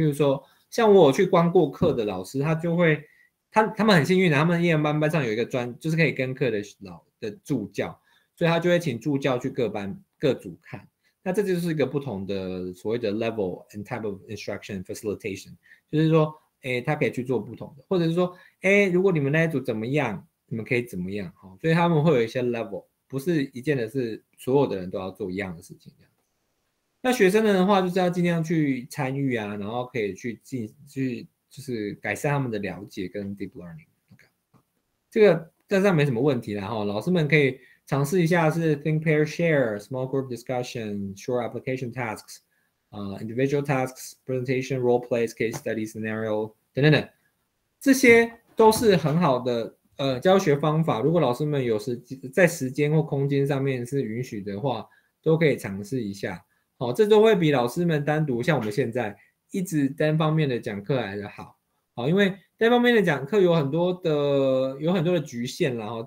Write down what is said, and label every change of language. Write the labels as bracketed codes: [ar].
[zh] 比如说像我有去观过课的老师，他就会他们很幸运的，他们EM班上有一个专就是可以跟课的老的助教，所以他就会请助教去各班各组看，那这就是一个不同的所谓的 [en] level and type of instruction facilitation， [zh] 就是说，哎，他可以去做不同的，或者是说，哎，如果你们那一组怎么样，你们可以怎么样，哦，所以他们会有一些 level，不是一件的是所有的人都要做一样的事情这样。那学生的话就是要尽量去参与啊，然后可以去就是改善他们的了解跟 deep learning。 [en] Okay. [zh] 这个但是没什么问题啦，老师们可以尝试一下是 [en] think pair share, small group discussion, short application tasks, individual tasks, presentation, role plays, case study scenario, [zh] 等等等。这些都是很好的教学方法，如果老师们有时在时间或空间上面是允许的话，都可以尝试一下。好，这都会比老师们单独像我们现在一直单方面的讲课来的好。好，因为单方面的讲课有很多的局限啦。